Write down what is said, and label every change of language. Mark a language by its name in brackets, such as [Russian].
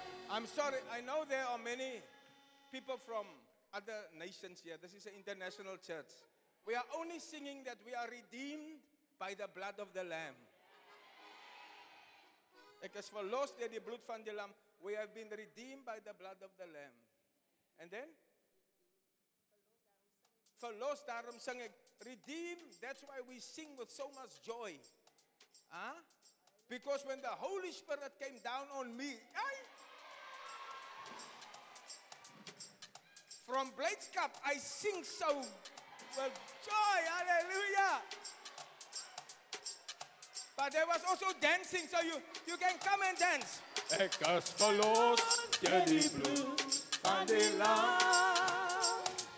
[English] I'm sorry, I know there are many people from other nations here. This is an international church. We are only singing that we are redeemed by the blood of the Lamb. [Afrikaans] Ek is verlos deur die bloed van die Lam. [English] We have been redeemed by the blood of the Lamb. And then? [Afrikaans] Verlos daarom sing ek. [English] Redeemed, that's why we sing with so much joy. Huh? Because when the Holy Spirit came down on me, from Blydskap, I sing so with joy, hallelujah. But there was also dancing, so you can come and dance. [Afrikaans] Ek is verlos deur die bloed van die lam.